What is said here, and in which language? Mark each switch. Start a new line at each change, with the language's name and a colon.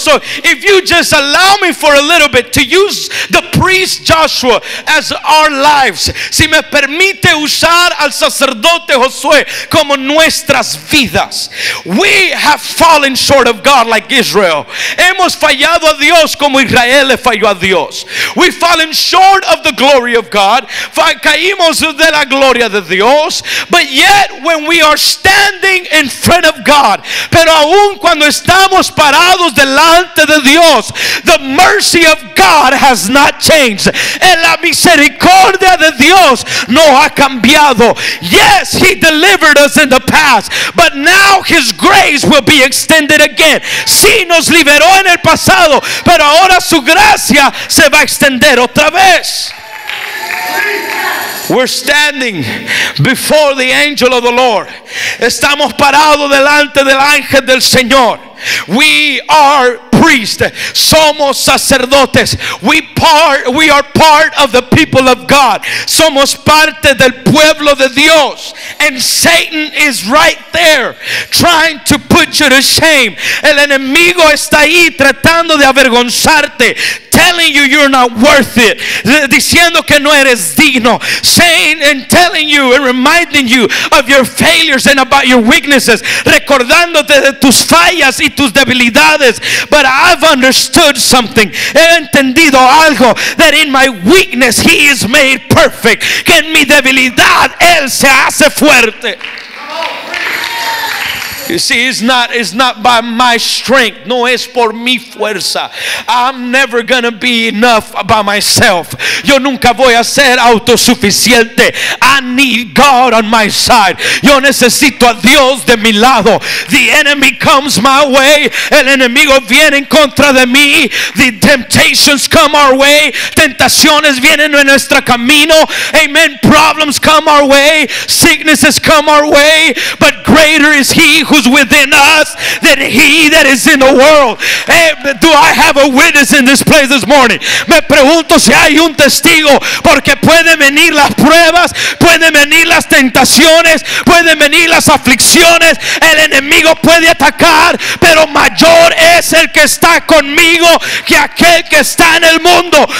English: So if you just allow me for a little bit to use the priest Joshua as our lives.
Spanish: Si me permite usar al sacerdote Josué como nuestras vidas.
English: We have fallen short of God like Israel.
Spanish: Hemos fallado a Dios como Israel le falló a Dios.
English: We've fallen short of the glory of God.
Spanish: Caímos de la gloria de Dios.
English: But yet when we are standing in front of God,
Spanish: pero aún cuando estamos parados delante de Dios,
English: the mercy of God has not changed.
Spanish: En la misericordia de Dios no ha cambiado.
English: Yes, he delivered us in the past, but now his grace will be extended again.
Spanish: Sí, nos liberó en el pasado, pero ahora su gracia se va a extender otra vez.
English: We're standing before the angel of the Lord.
Spanish: Estamos parados delante del ángel del Señor.
English: We are priests.
Spanish: Somos sacerdotes.
English: We are part of the people of God.
Spanish: Somos parte del pueblo de Dios.
English: And Satan is right there trying to put you to shame.
Spanish: El enemigo está ahí tratando de avergonzarte.
English: Telling you you're not worth it.
Spanish: Diciendo que no eres digno.
English: Saying and telling you and reminding you of your failures and about your weaknesses.
Spanish: Recordándote de tus fallas y tus debilidades.
English: But I've understood something.
Spanish: He entendido algo.
English: That in my weakness he is made perfect.
Spanish: Que en mi debilidad él se hace fuerte.
English: You see, it's not by my strength.
Spanish: No es por mi fuerza.
English: I'm never gonna be enough by myself.
Spanish: Yo nunca voy a ser autosuficiente.
English: I need God on my side.
Spanish: Yo necesito a Dios de mi lado.
English: The enemy comes my way.
Spanish: El enemigo viene en contra de mí.
English: The temptations come our way.
Spanish: Tentaciones vienen en nuestro camino.
English: Amen. Problems come our way. Sicknesses come our way. But greater is he who's within us than he that is in the world. Hey, do I have a witness in this place this morning?
Spanish: Me pregunto si hay un testigo, porque pueden venir las pruebas, pueden venir las tentaciones, pueden venir las aflicciones, el enemigo puede atacar, pero mayor es el que está conmigo que aquel que está en el mundo.